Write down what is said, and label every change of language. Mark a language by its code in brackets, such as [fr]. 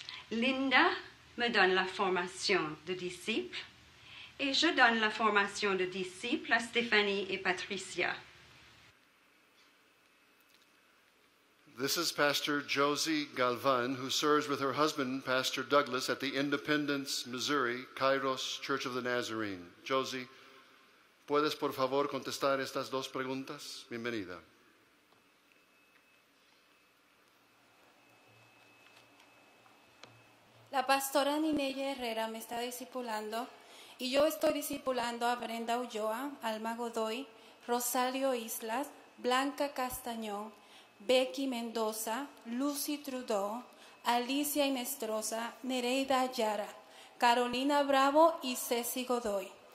[fr] Linda me donne la formation de disciple et je donne la formation de disciple à Stéphanie et Patricia. [en] This is Pastor Josie Galvan, who serves with her husband, Pastor Douglas, at the Independence, Missouri, Kairos Church of the Nazarene. [es] Josie, ¿puedes, por favor, contestar estas dos preguntas? Bienvenida. La pastora Ninella Herrera me está discipulando y yo estoy discipulando a Brenda Ulloa, Alma Godoy, Rosario Islas, Blanca Castañón, Becky Mendoza, Lucy Trudeau, Alicia Inestrosa, Nereida Yara, Carolina Bravo y Ceci Godoy.